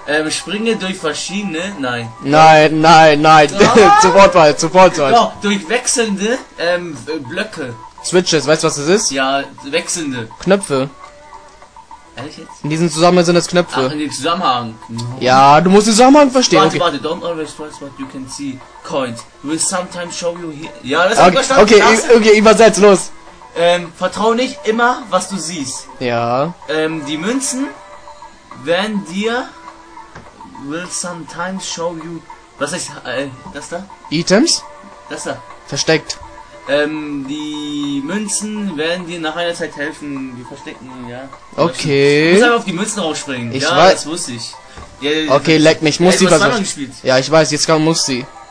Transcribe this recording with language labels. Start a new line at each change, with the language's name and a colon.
German: Springe durch verschiedene. Nein. Nein, nein, nein. Sofort mal, sofort mal. Doch, durch wechselnde Blöcke. Switches, weißt du, was das ist? Ja, wechselnde. Knöpfe. Ehrlich jetzt? In diesem Zusammenhang sind das Knöpfe. Ach, in dem Zusammenhang. Ja, du musst den Zusammenhang verstehen. Warte, okay. Warte,
English: don't always trust what you can see. Coins. Will sometimes show you here.
German: Ja, das hab ich okay, verstanden. Okay, übersetzt, los. Vertrau nicht immer, was du siehst. Ja. Die Münzen werden dir.
English: Will sometimes show you.
German: Was ist das da? Items? Das da. Versteckt. Die Münzen werden dir nach einer Zeit helfen, die verstecken, ja. Okay. Du musst einfach auf die Münzen rausspringen. Ich ja, weiß. Das wusste ich. Ja, okay, leck mich, muss sie was. Ja, ich weiß, jetzt kann muss sie.